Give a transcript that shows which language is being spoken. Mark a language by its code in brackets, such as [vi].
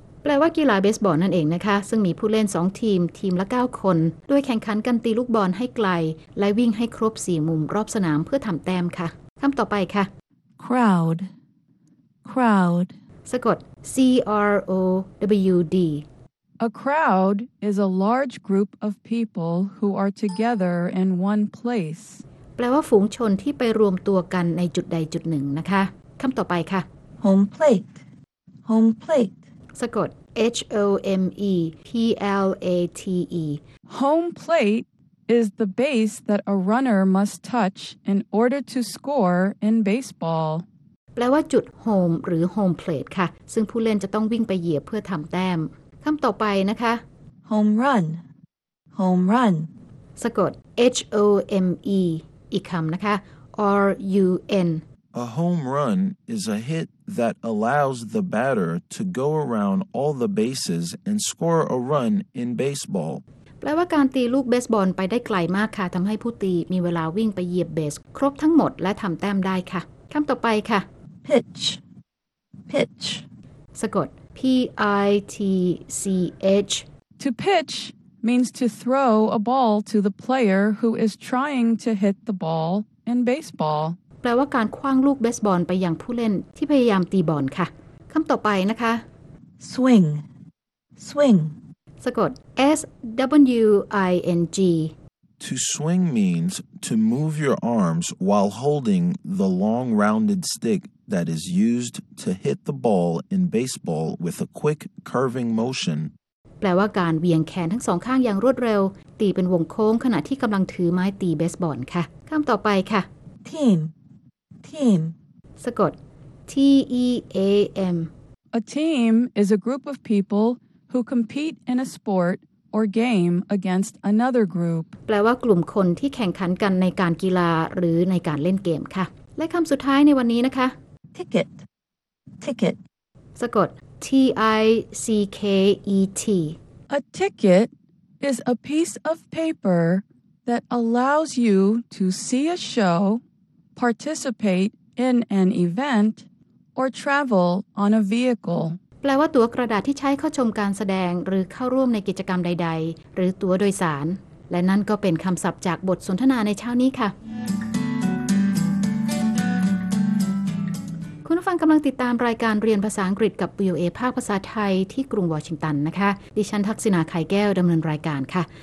[th] แปลว่ากีฬาเบสบอลนั่นเองนะคะซึ่งมีผู้เล่น2ทีมทีมละ9คนด้วยแข่งขันกันตีลูกบอลให้ไกลและวิ่งให้ครบ4มุมรอบสนามเพื่อทำแต้มค่ะคำต่อไปค่ะ [en] Crowd Crowd [th] สะกด CROWD [en] A crowd is a large group of people who are together in one place. [th] แปลว่าฝูงชนที่ไปรวมตัวกันในจุดใดจุดหนึ่งนะคะคำต่อไปค่ะ [en] Home plate Home plate [th] สะกด H-O-M-E P-L-A-T-E [en] Home plate is the base that a runner must touch in order to score in baseball. [th] แปลว่าจุด home หรือ home plate ค่ะซึ่งผู้เล่นจะต้องวิ่งไปเหยียบเพื่อทำแต้มคำต่อไปนะคะ [en] home run home run [th] สะกด h o m e อีกคำนะคะ r u n [en] a home run is a hit that allows the batter to go around all the bases and score a run in baseball [th] แปลว่าการตีลูกเบสบอลไปได้ไกลมากค่ะทำให้ผู้ตีมีเวลาวิ่งไปเหยียบเบสครบทั้งหมดและทำแต้มได้ค่ะคำต่อไปค่ะ [en] pitch pitch [th] สะกดP-I-T-C-H [en] To pitch means to throw a ball to the player who is trying to hit the ball in baseball. [th] แปลว่าการขว้างลูกเบสบอลไปยังผู้เล่นที่พยายามตีบอลค่ะคำต่อไปนะคะ [en] Swing Swing [th] สะกด S-W-I-N-G [en] To swing means to move your arms while holding the long rounded stickthat is used to hit the ball in baseball with a quick curving motion [th] แปลว่าการเวียงแขนทั้งสองข้างอย่างรวดเร็วตีเป็นวงโค้งขณะที่กำลังถือไม้ตีเบสบอลค่ะคำต่อไปค่ะ [en] team team [th] สะกด T-E-A-M [en] A team is a group of people who compete in a sport or game against another group [th] แปลว่ากลุ่มคนที่แข่งขันกันในการกีฬาหรือในการเล่นเกมค่ะและคำสุดท้ายในวันนี้นะคะ [en] ticket ticket [th] สะกด T I C K E T [en] A ticket is a piece of paper that allows you to see a show, participate in an event, or travel on a vehicle [th] แปลว่าตั๋วกระดาษที่ใช้เข้าชมการแสดงหรือเข้าร่วมในกิจกรรมใดๆหรือตั๋วโดยสารและนั่นก็เป็นคำศัพท์จากบทสนทนาในเช้านี้ค่ะคุณผู้ฟังกำลังติดตามรายการเรียนภาษาอังกฤษกับ VOA ภาคภาษาไทยที่กรุงวอชิงตันนะคะดิฉันทักษิณาไข่แก้วดำเนินรายการค่ะ